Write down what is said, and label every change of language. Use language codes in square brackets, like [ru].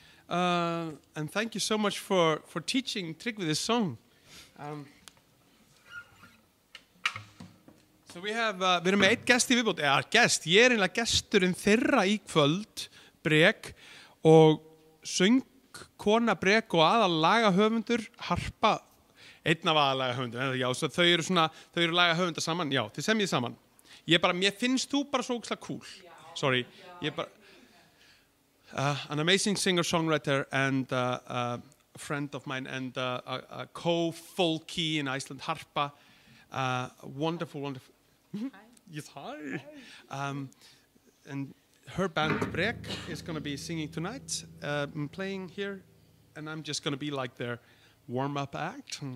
[en] And thank you so much for teaching Tryggvi this song. So we have, [is] við erum með eitt gest í viðbót, eða gest, ég einlega gesturinn þeirra í kvöld, Brek, og söng kona Brek og aðalaga höfundur, Harpa, einn af aðalaga höfundur, já, svo þau eru svona, þau eru laga höfundar saman, já, þið semjið saman. Ég bara, mér finnst þú bara svo ókslega cool. [en] Sorry, yeah, but an amazing singer songwriter and a friend of mine and a co folky in Iceland, Harpa. Wonderful, wonderful. Hi. Yes, hi. And her band Brek is going to be singing tonight, playing here, and I'm just going to be like their warm up act.